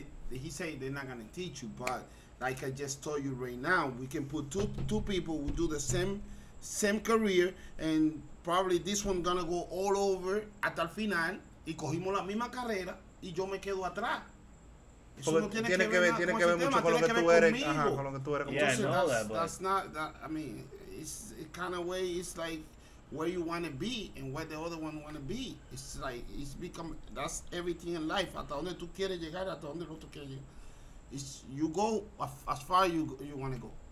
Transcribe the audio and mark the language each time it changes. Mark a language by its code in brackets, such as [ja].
[en] He said they're not going to teach you, but like I just told you right now, we can put two people who do the same career, and probably this one going to go all over [es] hasta el final. Y cogimos la misma carrera y yo me quedo atrás. Eso no tiene que ver mucho con lo que tú eres. Yeah, entonces, [en] it's kind of way, it's like where you want to be and where the other one want to be. It's like, it's become, that's everything in life. [es] Hasta donde tú quieres llegar, hasta donde el otro quiere llegar. [en] It's, you go as far as you want to go.